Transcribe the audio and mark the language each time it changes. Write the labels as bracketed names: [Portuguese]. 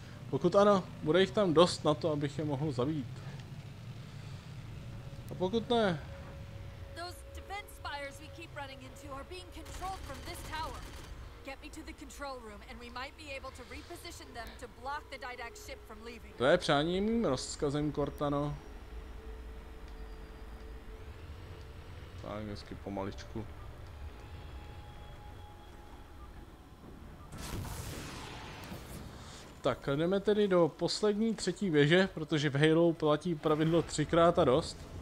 [Czech] Pokud ano, bude jich tam dost na to, abych je mohl zabít. A pokud ne? [English] Those defense spires we keep running into are being controlled from this tower. Get me to the control room and we might be able to reposition them to block the Didact ship from leaving. [Czech] To je přáním rozkazem, Cortano. Tak hezky pomaličku. Tak jdeme tedy do poslední třetí věže, protože v Halo platí pravidlo třikrát a dost.